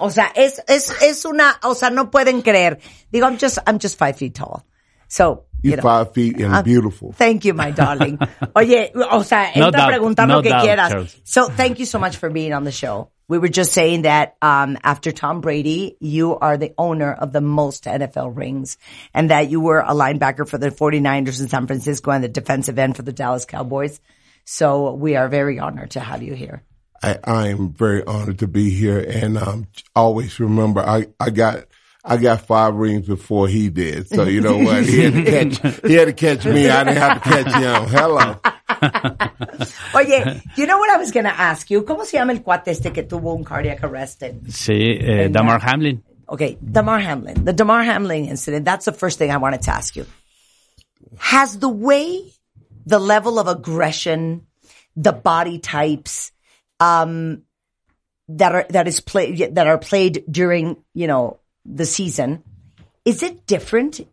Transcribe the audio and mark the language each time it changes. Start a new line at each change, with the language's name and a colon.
Spanish: O sea, es una, o sea, no pueden creer.
English: Digo, I'm just 5 feet tall. So, you're 5 feet and beautiful. Thank you, my darling.
Spanish: Oye, o sea, entra a preguntar lo que quieras.
English: So, thank you so much for being on the show. We were just saying that after Tom Brady, you are the owner of the most NFL rings and that you were a linebacker for the 49ers in San Francisco and the defensive end for the Dallas Cowboys. So, we are very honored to have you here. I am very honored to be here, and always remember, I got 5 rings before he did. So you know what? He had to catch me. I didn't have to catch him. Hello. Oye, you know what I was going to ask you?
Spanish: ¿Cómo se llama el cuate este que tuvo un
English: cardiac arrest? Damar Hamlin. Okay, Damar Hamlin. The Damar Hamlin incident, that's the first thing I wanted to ask you. Has the way, the level of aggression, the body types... that are played during, you know, the season, is it different?